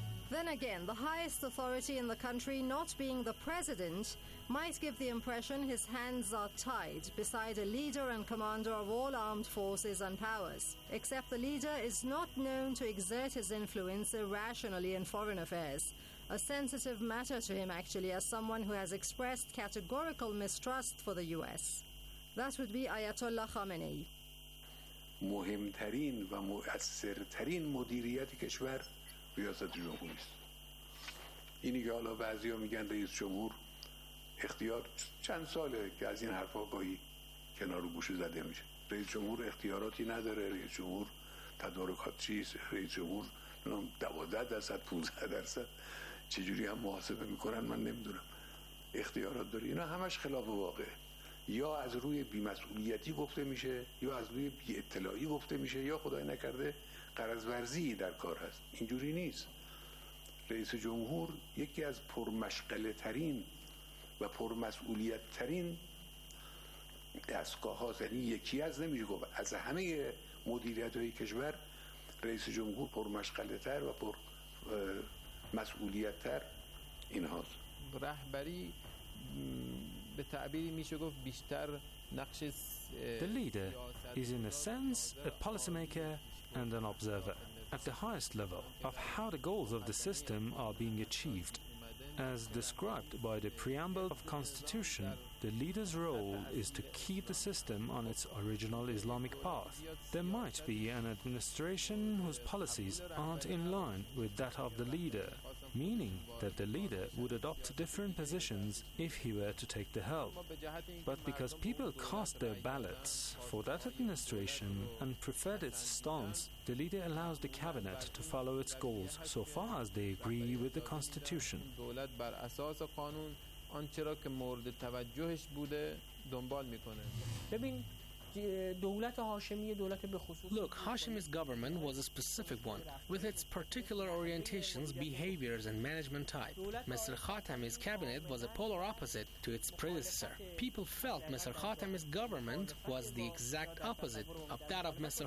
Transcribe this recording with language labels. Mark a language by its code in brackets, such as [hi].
[en] Then again, the highest authority in the country not being the president might give the impression his hands are tied beside a leader and commander of all armed forces and powers. Except the leader is not known to exert his influence irrationally in foreign affairs. A sensitive matter to him, actually, as someone who has expressed categorical mistrust for the U.S. That would be Ayatollah Khamenei. [fa] مهمترین و مؤثرترین مدیریت کشور ریاست جمهوری است. اینی که حالا بعضیا میگن رئیس جمهور اختیار چند ساله که از این حرفا گاهی کنار گوشه زده میشه. رئیس جمهور اختیاراتی نداره، رئیس جمهور تدارکات چیست، رئیس جمهور 12% 15% چجوری هم محاسبه میکنن من نمیدونم. اختیارات داره. اینا همش خلاف واقعه. یا از روی بیمسئولیتی گفته میشه یا از روی بی اطلاعی گفته میشه یا خدای نکرده قرض‌ورزی در کار هست. اینجوری نیست. رئیس جمهور یکی از پرمشغله ترین و پرمسئولیت ترین دستگاه هاست، یعنی یکی از نمیشه گفت از همه مدیریت های کشور رئیس جمهور پرمشغله تر و پر مسئولیت تر این هاست. رهبری به تعبیری میشه گفت بیشتر نقش [en] The leader is in a sense a policymaker and an observer at the highest level of how the goals of the system are being achieved. As described by the preamble of Constitution, the leader's role is to keep the system on its original Islamic path. There might be an administration whose policies aren't in line with that of the leader, meaning that the leader would adopt different positions if he were to take the helm. But because people cast their ballots for that administration and preferred its stance, the leader allows the cabinet to follow its goals so far as they agree with the Constitution. [fa] آنچرا که مورد توجهش بوده دنبال میکنه. ببین [en] Look, Hashemi's government was a specific one, with its particular orientations, behaviors, and management type. Mr. Khatami's cabinet was a polar opposite to its predecessor. People felt Mr. Khatami's government was the exact opposite of that of Mr.